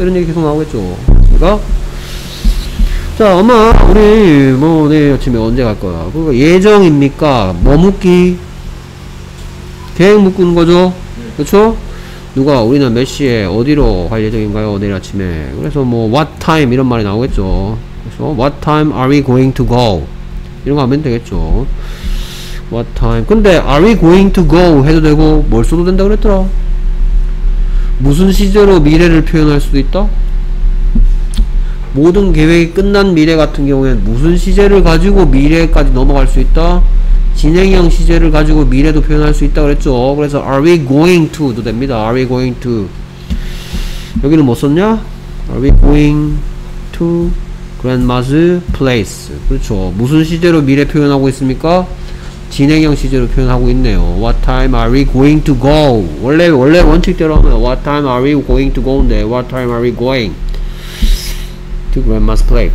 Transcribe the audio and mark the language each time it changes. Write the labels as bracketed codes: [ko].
[ko] 이런 얘기 계속 나오겠죠. 그니까? 자, 엄마, 우리, 뭐, 내일 아침에 언제 갈 거야? 그거 예정입니까? 뭐 묻기? 계획 묶은 거죠? 그쵸? 누가, 우리는 몇 시에 어디로 갈 예정인가요? 내일 아침에. 그래서 뭐, [en] what time? [ko] 이런 말이 나오겠죠. [en] 그래서, what time are we going to go? [ko] 이런 거 하면 되겠죠. [en] What time? [ko] 근데 [en] are we going to go [ko] 해도 되고 뭘 써도 된다 그랬더라. 무슨 시제로 미래를 표현할 수도 있다. 모든 계획이 끝난 미래 같은 경우에는 무슨 시제를 가지고 미래까지 넘어갈 수 있다. 진행형 시제를 가지고 미래도 표현할 수 있다 그랬죠. [en] 그래서 are we going to [ko] 도 됩니다. [en] Are we going to? [ko] 여기는 뭐 썼냐? [en] Are we going to? Grandma's place. 그렇죠. [ko] 무슨 시제로 미래 표현하고 있습니까? 진행형 시제로 표현하고 있네요. [en] What time are we going to go? [ko] 원래 원칙대로 하면 [en] What time are we going to go인데 What time are we going to Grandma's place?